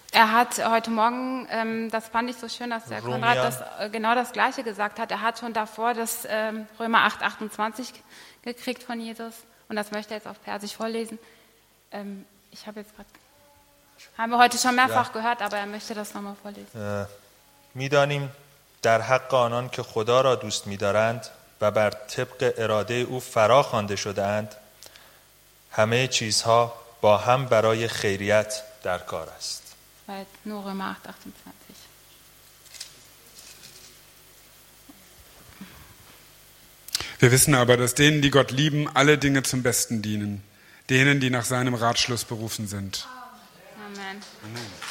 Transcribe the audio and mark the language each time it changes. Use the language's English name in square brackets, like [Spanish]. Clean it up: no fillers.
[German] Er hat heute Morgen, das fand ich so schön, dass der Konrad das genau das gleiche gesagt hat. Er hat schon davor das Römer 8:28 gekriegt von Jesus und das möchte er jetzt auf Persisch vorlesen. Ich habe jetzt gerade haben wir heute schon mehrfach gehört, aber er möchte das nochmal vorlesen. [Persian] میدانیم در حق آنان که خدا را دوست می‌دارند و بر طبق اراده او فرا خوانده شده‌اند همه چیزها با هم برای خیریت در کار است. [German] Wir wissen aber, dass denen, die Gott lieben, alle Dinge zum Besten dienen, denen, die nach seinem Ratschluss berufen sind. Amen. Amen.